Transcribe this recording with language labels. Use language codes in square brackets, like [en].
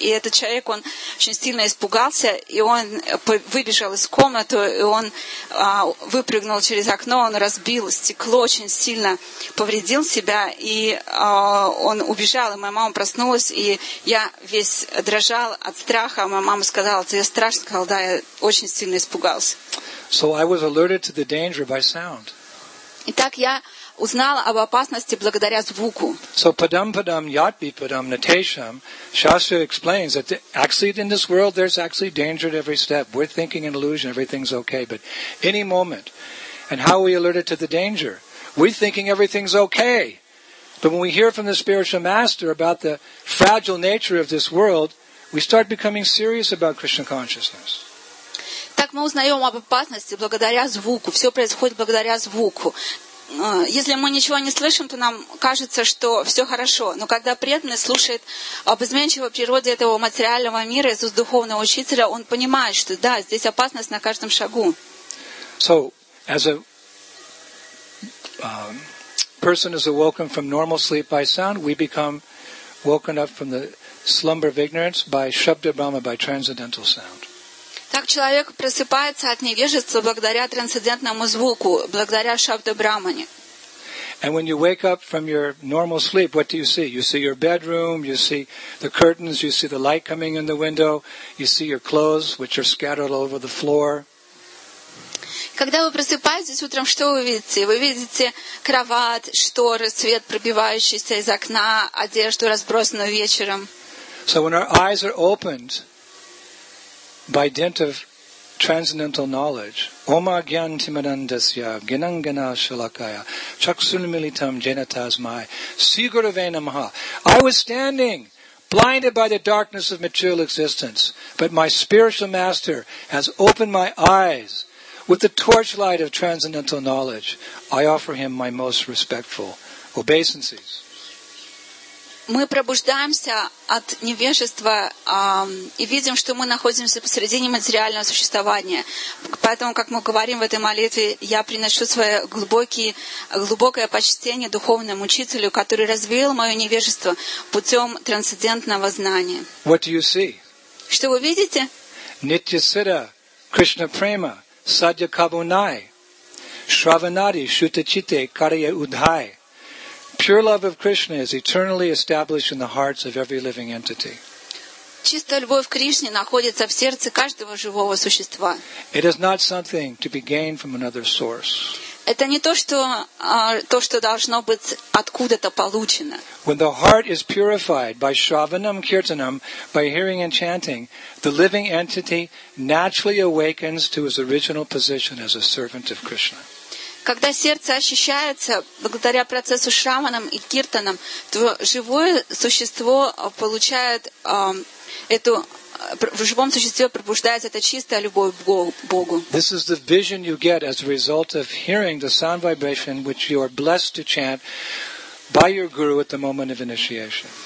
[ru] И этот человек, он очень сильно испугался, и он выбежал из комнаты, и он выпрыгнул через окно, он разбил стекло, очень сильно повредил себя, и он убежал, и моя мама проснулась, и я весь дрожал от страха. Моя мама сказала, тебе страшно? Сказала, да, я очень сильно испугался. [en] So I was alerted to the danger by sound. [ru] Итак, я узнала об опасности благодаря звуку. [sa] So padam padam yatpi padam natesham. [en] Shastra explains that actually in this world there's actually danger at every step. We're thinking an illusion, everything's okay, but any moment. And how are we alerted to the danger? We're thinking everything's okay. But when we hear from the spiritual master about the fragile nature of this world, we start becoming serious about Krishna consciousness. [ru] Так мы узнаем об опасности благодаря звуку. Все происходит благодаря звуку. Если мы ничего не слышим, то нам кажется, что все хорошо. Но когда преданный слушает об изменчивой природе этого материального мира из уст духовного учителя, он понимает, что да, здесь опасность на каждом шагу. [en] So, as a person is awoken from normal sleep by sound, we become woken up from the slumber of ignorance by Shabda Brahma, by transcendental sound. [ru] Так человек просыпается от невежества благодаря трансцендентному звуку, благодаря Шабда Брахмане. [en] And when you wake up from your normal sleep, what do you see? You see your bedroom, you see the curtains, you see the light coming in the window, you see your clothes, which are scattered all over the floor. [ru] Когда вы просыпаетесь утром, что вы видите? Вы видите кровать, шторы, свет, пробивающийся из окна, одежду, разбросанную вечером. [en] So when our eyes are opened by dint of transcendental knowledge, [sa] Oma Gyan Timanandasya Ginangana Shalakaya Chaksunamilitam Jainatasmai Sigurvena Maha. [en] I was standing blinded by the darkness of material existence, but my spiritual master has opened my eyes with the torchlight of transcendental knowledge. I offer him my most respectful obeisances. [ru] Мы пробуждаемся от невежества и видим, что мы находимся посредине материального существования. Поэтому, как мы говорим в этой молитве, я приношу свое глубокое почтение духовному учителю, который развеял мое невежество путем трансцендентного знания. [en] What do you see? [ru] Что вы видите? [sa] Нитья сидда, Кришна према, садья кабунай, шраванади, шута чите, карья удхай. [en] Pure love of Krishna is eternally established in the hearts of every living entity. [ru] Чистая любовь к Кришне находится в сердце каждого живого существа. [en] It is not something to be gained from another source. [ru] Это не то, что должно быть откуда-то получено. [en] When the heart is purified by shravanam kirtanam, by hearing and chanting, the living entity naturally awakens to its original position as a servant of Krishna. [ru] Когда сердце очищается благодаря процессу шраманам и киртанам, то живое существо получает эту... В живом существе пробуждается эта чистая любовь к Богу. [en] This is the vision you get as a result of hearing the sound vibration which you are blessed to chant by your guru at the moment of initiation.